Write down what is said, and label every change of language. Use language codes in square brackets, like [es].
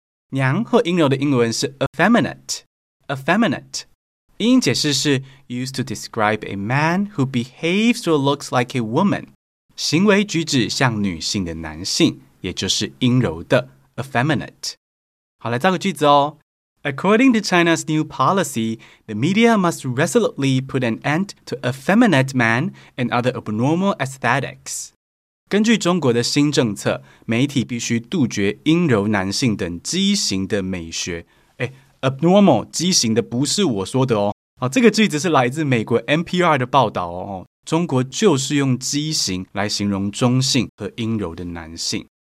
[zh] 娘或阴柔的英文是 effeminate， 英音解释是 used to describe a man who behaves or looks like a woman，行为举止像女性的男性，也就是阴柔的 effeminate。好，来造个句子哦。 [en] According to China's new policy, the media must resolutely put an end to effeminate men and other abnormal aesthetics. [zh] 根据中国的新政策，媒体必须杜绝阴柔男性等畸形的美学。哎 ，abnormal 畸形的不是我说的哦。好，这个句子是来自美国 NPR 的报道哦。中国就是用畸形来形容中性和阴柔的男性。